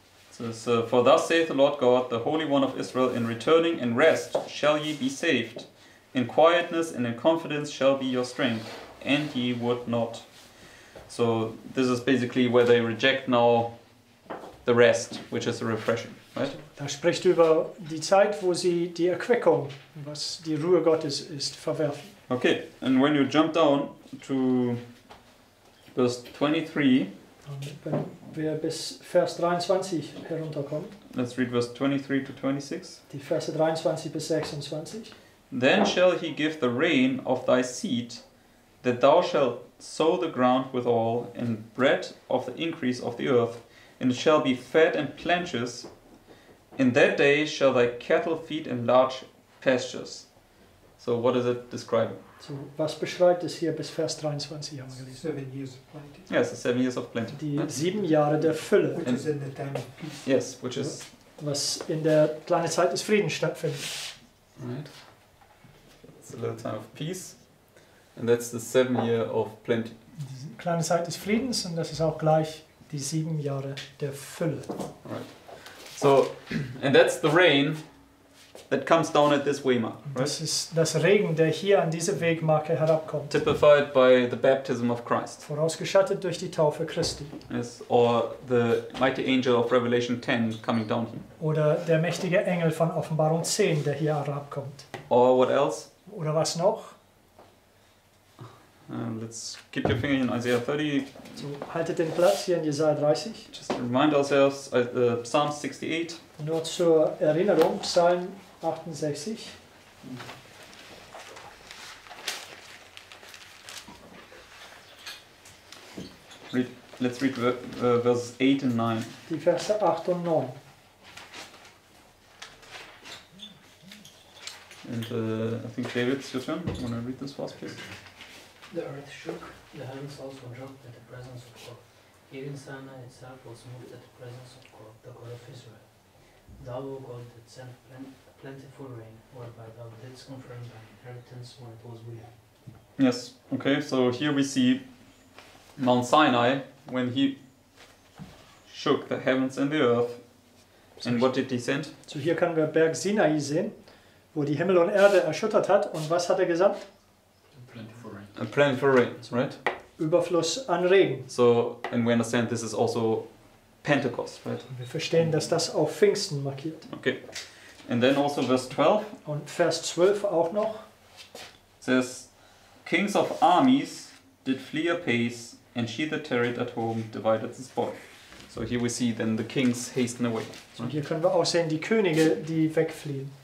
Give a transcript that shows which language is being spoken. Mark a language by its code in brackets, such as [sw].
[en] So, "For thus saith the Lord God, the Holy One of Israel, in returning in rest shall ye be saved. In quietness and in confidence shall be your strength. And ye would not." So this is basically where they reject now the rest, which is the refreshing, right? [de] Da spricht über die Zeit, wo sie die Erquickung, was die Ruhe Gottes ist, verwerfen. [en] Okay, and when you jump down to verse 23, [de] wenn wir bis Vers 23 herunterkommen, [en] let's read verse 23 to 26. [de] Die Verse 23 bis 26. [en] "Then shall he give the rain of thy seed, that thou shalt sow the ground withal, and bread of the increase of the earth, and it shall be fed and plenteous. In that day shall thy cattle feed in large pastures." So what is it describing? [de] So was beschreibt es hier bis Vers 23 haben wir gelesen? [en] 7 years of plenty. Yes, the 7 years of plenty. [de] Die sieben Jahre der Fülle. [en] Which is in the time of peace. Yes, which is... [de] Was in der kleinen Zeit des Friedens stattfindet. [en] Right. It's a little time of peace. And that's the 7 year of plenty. [de] Die kleine Zeit des Friedens und das ist auch gleich die sieben Jahre der Fülle. [en] Right. So, and that's the rain that comes down at this Wema. [de] Das ist das Regen, der hier an diese Wegmarke herabkommt. [en] Typified by the baptism of Christ. [de] Vorausgeschattet durch die Taufe Christi. [en] Yes, or the mighty angel of Revelation 10 coming down here. [de] Oder der mächtige Engel von Offenbarung 10, der hier herabkommt. [en] Or what else? [de] Oder was noch? [en] Let's keep your finger in Isaiah 30. [de] So, haltet den Platz hier in Jesaja 30. [en] Just remind ourselves, Psalm 68. [de] Nur zur Erinnerung, Psalm 68. [en] Let's read verses 8 and 9. [de] Die Verse 8 und 9. [en] And I think David, it's your turn. Want to read this first, please? The earth shook, the heavens also dropped at the presence of God. Even Sinai itself was moved at the presence of God, the God of Israel. Thou, O God, that sent plentiful rain, whereby thou didst confirm thy inheritance when it was weary. Yes, okay, so here we see Mount Sinai, when he shook the heavens and the earth. And what did he send? So here can we see [de] Berg Sinai, sehen, wo die Himmel und Erde erschüttert hat. [en] And what [de] hat gesandt? [en] A plan for rain, right? [de] Überfluss an Regen. [en] So, and we understand this is also Pentecost, right? [de] Und wir verstehen, dass das auch Pfingsten markiert. [en] Okay. And then also verse 12. [de] Und Vers 12 auch noch. [en] Says, kings of armies did flee apace, and she that tarried at home divided the spoil. So here we see then the kings hasten away. So right? [de] Hier können wir auch sehen, die Könige, die wegfliehen.